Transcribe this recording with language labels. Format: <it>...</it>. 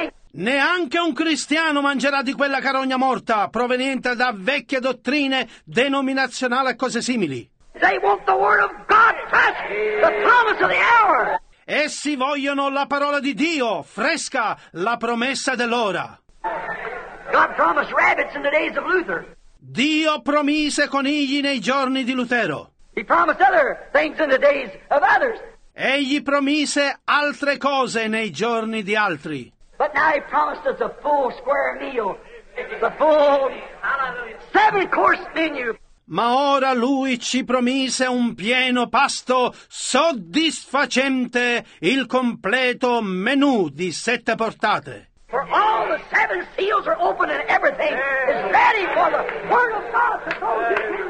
<it>Neanche un cristiano mangerà di quella carogna morta proveniente da vecchie dottrine denominazionali e cose simili.</it> <en>They want the word of God fresh, the promise of the hour.</en> <it>Essi vogliono la parola di Dio fresca, la promessa dell'ora.</it> <en>God promised rabbits in the days of Luther.</en> <it>Dio promise conigli nei giorni di Lutero.</it> <en>He promised other things in the days of others.</en> <it>Egli promise altre cose nei giorni di altri.</it> <en>But now he promised us a full square meal. The full seven course menu.</en> <it>Ma ora lui ci promise un pieno pasto soddisfacente, il completo menù di sette portate.</it> <en>For all the seven seals are open and everything is ready for the word of God to go to.</en>